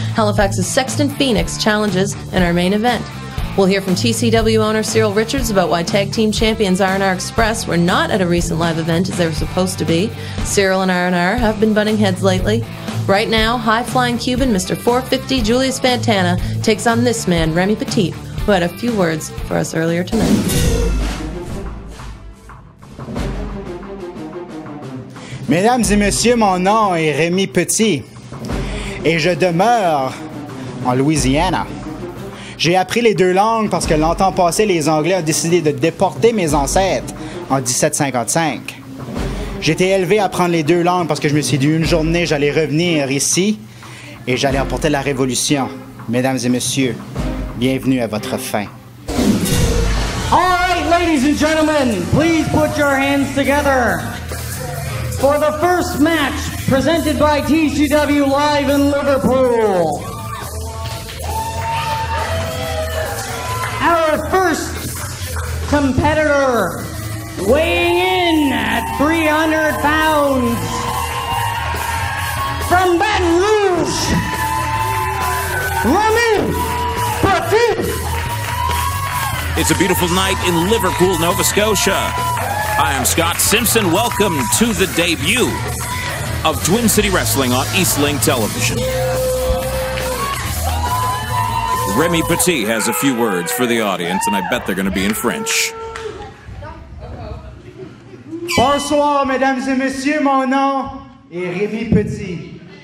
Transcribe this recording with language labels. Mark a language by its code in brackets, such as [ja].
[en] Halifax's Sexton Phoenix challenges in our main event. We'll hear from TCW owner Cyril Richards about why tag team champions RnR Express were not at a recent live event as they were supposed to be. Cyril and RnR have been butting heads lately. Right now, high-flying Cuban Mr. 450 Julius Fantana takes on this man, Remi Petit, who had a few words for us earlier tonight. [fr] Mesdames et messieurs, mon nom est Remi Petit et je demeure en Louisiana. J'ai appris les deux langues parce que longtemps passé, les Anglais ont décidé de déporter mes ancêtres en 1755. J'étais élevé à apprendre les deux langues parce que je me suis dit une journée, j'allais revenir ici et j'allais emporter la révolution. Mesdames et messieurs, bienvenue à votre fin. [en] All right, ladies and gentlemen, please put your hands together for the first match presented by TCW Live in Liverpool. Our first competitor, weighing in at 300 pounds, from Baton Rouge, Remi Petit. It's a beautiful night in Liverpool, Nova Scotia. I am Scott Simpson. Welcome to the debut of Twin City Wrestling on Eastlink Television. Remi Petit has a few words for the audience, and I bet they're going to be in French. [fr] Bonsoir, mesdames et messieurs, mon nom est Remi Petit.